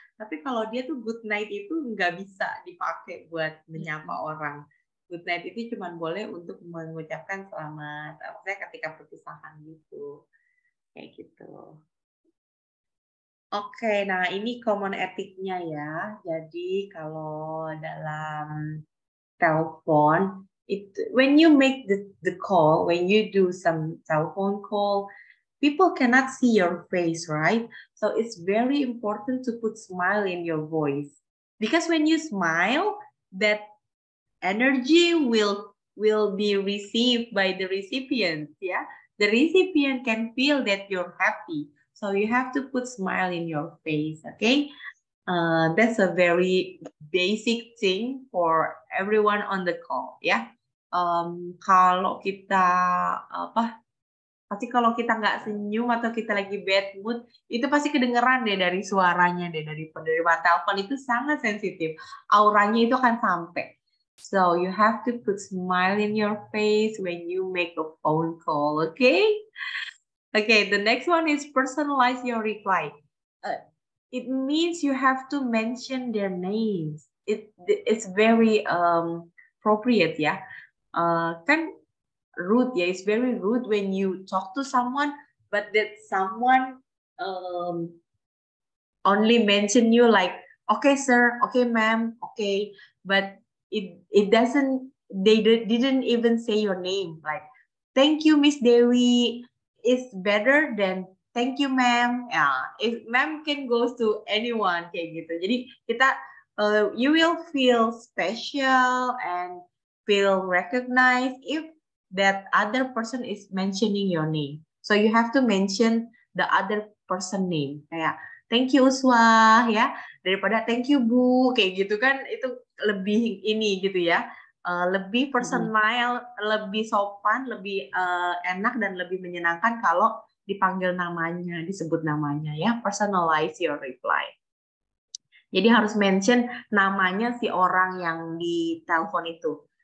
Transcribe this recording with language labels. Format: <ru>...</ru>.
<id>Tapi kalau dia tuh good night itu nggak bisa dipakai buat menyapa orang. Good night itu cuma boleh untuk mengucapkan selamat, maksudnya ketika perpisahan gitu. Kayak gitu. Oke, nah ini common etiknya ya. Jadi kalau dalam telepon,</id> <en>when you make the call, when you do some telephone call, people cannot see your face, right? So it's very important to put smile in your voice. Because when you smile, that energy will be received by the recipient, yeah? The recipient can feel that you're happy. So you have to put smile in your face, okay? That's a very basic thing for everyone on the call, yeah?</en> <id>Kalau kita apa? Pasti kalau kita nggak senyum atau kita lagi bad mood, itu pasti kedengeran deh dari suaranya deh, dari penerima telepon itu sangat sensitif. Auranya itu akan sampai.</id> <en>So you have to put smile in your face when you make a phone call, okay? Okay, the next one is personalize your reply. It means you have to mention their names. It's very appropriate, yeah? Kan rude, yeah? It's very rude when you talk to someone, but that someone only mention you like, okay, sir, okay, ma'am, okay, but it doesn't, they didn't even say your name, like, thank you, Miss Dewi. It's better than thank you, ma'am. Yeah, if ma'am can go to anyone,</en> <id>kayak gitu. Jadi kita,</id> <en>you will feel special and feel recognized if that other person is mentioning your name. So you have to mention the other person name.</en> <id>Kayak,</id> <en>thank you,</en> <id>Uswa, ya. Daripada thank you, Bu. Kayak gitu kan, itu lebih ini gitu ya. Lebih personal, lebih sopan, lebih enak, dan lebih menyenangkan kalau dipanggil namanya, disebut namanya ya.</id> <en>Personalize your reply.</en> <id>Jadi harus mention namanya si orang yang di telepon itu.</id>